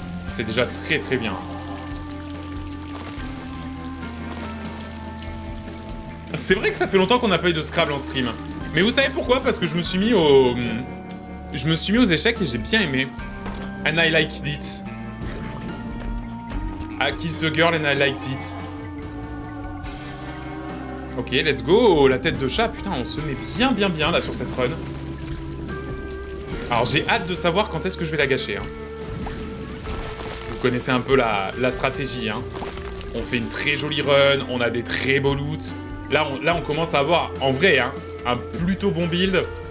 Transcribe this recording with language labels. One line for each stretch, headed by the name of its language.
French: C'est déjà très très bien. C'est vrai que ça fait longtemps qu'on n'a pas eu de Scrabble en stream. Mais vous savez pourquoi? Parce que je me suis mis aux échecs et j'ai bien aimé.
English: And I liked it. I kissed the girl and I liked it. Ok, let's go.
French: La tête de chat, putain, on se met bien bien bien là sur cette run. Alors j'ai hâte de savoir quand est-ce que je vais la gâcher, hein. Vous connaissez un peu la stratégie, hein. On fait une très jolie run, on a des très beaux loots. Là, on commence à avoir, en vrai, hein, un plutôt bon build.